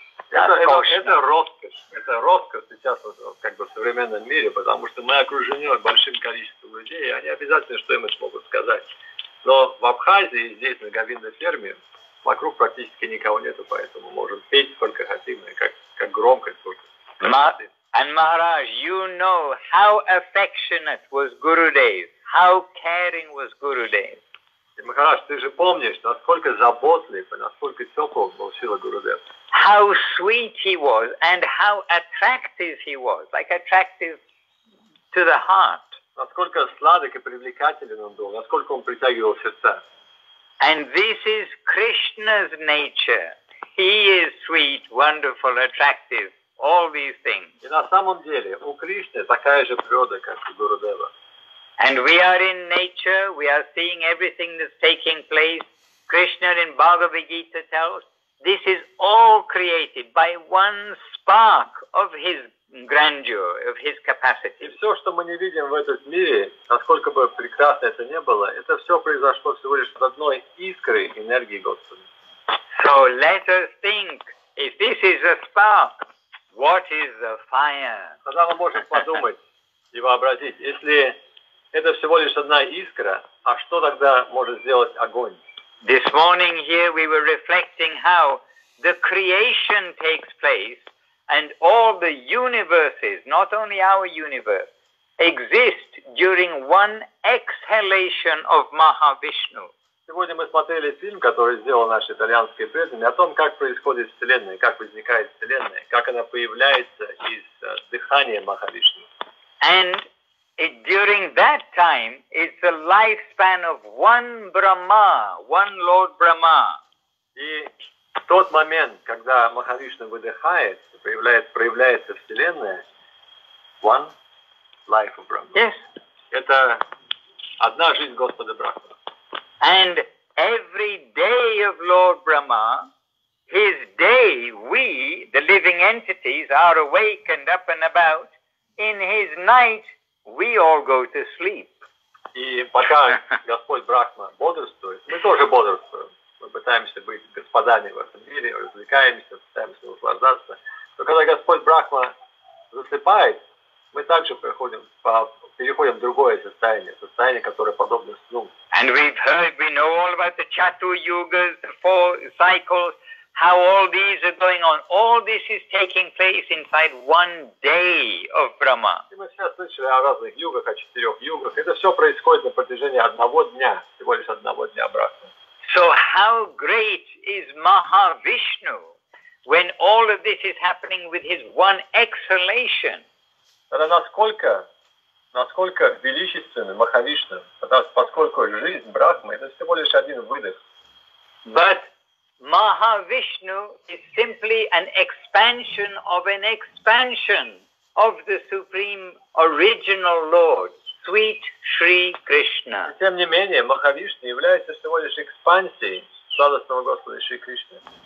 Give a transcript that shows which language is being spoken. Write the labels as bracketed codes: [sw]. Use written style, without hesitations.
[ru] Это роскошь сейчас в современном мире, потому что мы окружены большим количеством людей, и они обязательно что-нибудь могут сказать. Но в Абхазии, здесь, на Говинда ферме, вокруг практически никого нету, поэтому можем петь сколько хотим, и как громко, сколько хотим. [en] And Maharaj, you know how affectionate was Gurudev, how caring was Gurudev. [ru] Махарадж, ты же помнишь, насколько заботлив и насколько теплым был Шрила Гурудев. [en] How sweet he was and how attractive he was, like attractive to the heart. [ru] Насколько сладок и привлекателен он был, насколько он притягивал сердца. [en] And this is Krishna's nature. He is sweet, wonderful, attractive, all these things. [ru] И на самом деле у Кришны такая же природа, как у Гурудева. [en] And we are in nature, we are seeing everything that's taking place. Krishna in Bhagavad Gita tells, this is all created by one spark of his grandeur, of his capacity. [ru] И все, что мы не видим в этом мире, насколько бы прекрасно это ни было, это все произошло всего лишь от одной искры энергии Господа. [en] So let us think, if this is a spark, what is the fire? [ru] Тогда мы можем подумать и вообразить, если это всего лишь одна искра, а что тогда может сделать огонь? [en] This morning here we were reflecting how the creation takes place and all the universes, not only our universe, exist during one exhalation of Mahavishnu. [ru] Сегодня мы смотрели фильм, который сделал наш итальянский преданный, о том, как происходит Вселенная, как возникает Вселенная, как она появляется из дыхания Махавишну. [en] And it, during that time, it's the lifespan of one Brahma, one Lord Brahma. [ru] И в тот момент, когда Махавишна выдыхает, проявляется Вселенная, [en] one life of Brahma. Yes. [ru] Это одна жизнь Господа Брахмана. [en] And every day of Lord Brahma, his day, we, the living entities, are awake and up and about. In his night, we all go to sleep. [ru] И пока Господь Брахма бодрствует, мы тоже бодрствуем. Мы пытаемся быть господами в этом мире, развлекаемся, пытаемся наслаждаться. Но когда Господь Брахма засыпает, мы также переходим в другое состояние, которое подобно сну. [en] And we've heard, we know all about the Chatur-Yugas, the four cycles, how all these are going on. All this is taking place inside one day of Brahma. [ru] Мы сейчас слышали о разных югах, о четырех югах. Это все происходит на протяжении одного дня, всего лишь одного дня обратно. [en] So how great is Mahavishnu when all of this is happening with his one exhalation? [ru] Это насколько величественно Махавишна, поскольку жизнь Брахмы это всего лишь один выдох. [en] But Mahavishnu is simply an expansion of an expansion of the supreme original Lord, sweet Shri Krishna. [ru] Тем не менее, Махавишна является всего лишь экспансией сладостного Господа Шри Кришны.